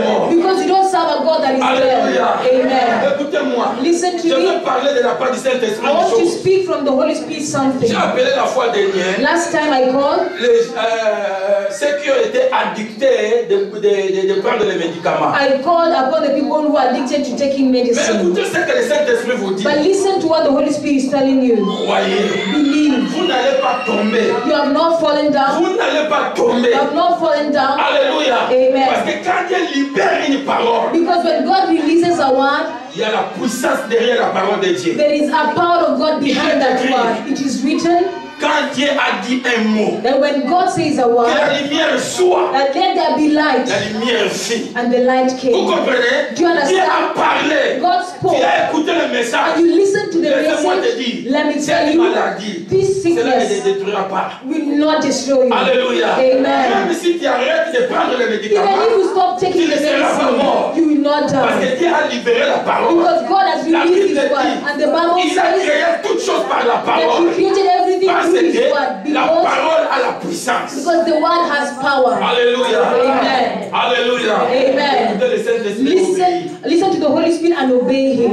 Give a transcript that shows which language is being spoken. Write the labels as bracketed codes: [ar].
[en] Because you don't serve a God that is Hallelujah. Dead. Amen. [fr] Écoutez-moi. [en] Listen to [fr] Je [en] me. [fr] Parler de la part du Saint-Esprit [en] I want to speak from the Holy Spirit something. [fr] J'ai appelé la fois dernière. [en] Last time I called, [fr] ceux qui ont été addictés de prendre les médicaments. [en] I called upon the people who are addicted to taking medicine. [fr] Mais écoutez ce que le Saint-Esprit vous dit. [en] But listen to what the Holy Spirit is telling you. [fr] Croyez. [en] Believe. [fr] Vous n'allez pas tomber. [en] You have not fallen down. [fr] Vous n'allez pas tomber. [en] You have not fallen down. Alléluia. Amen. [fr] Parce que quand Dieu libère une parole. [en] Because when God releases a word. [fr] Il y a la puissance derrière la parole de Dieu. [en] There is a power of God behind that word. It is written. [fr] Quand Dieu a dit un mot. [en] That when God says a word. [fr] Que la lumière soit. [en] That let there be light. [fr] La lumière fit. [en] And the light came. [fr] Vous comprenez? [en] Do you understand? [fr] Dieu a parlé. [en] God spoke. [fr] Tu as écouté le message. [en] And you listen to the message. Let me tell you. This sickness will not destroy you. Alléluia. Amen. [fr] Même si tu arrêtes de prendre les médicaments. [en] Even if you stop taking the medicine. You will not die. [fr] Parce que Dieu a libéré la parole. [en] Because God has released his word. And the Bible says. [fr] Il a créé toute chose par la parole. [en] That he created everything. Because [fr] la parole a la puissance. [en] Because the word has power. Alléluia. Amen. Alléluia. Amen. Listen to the Holy Spirit and obey him.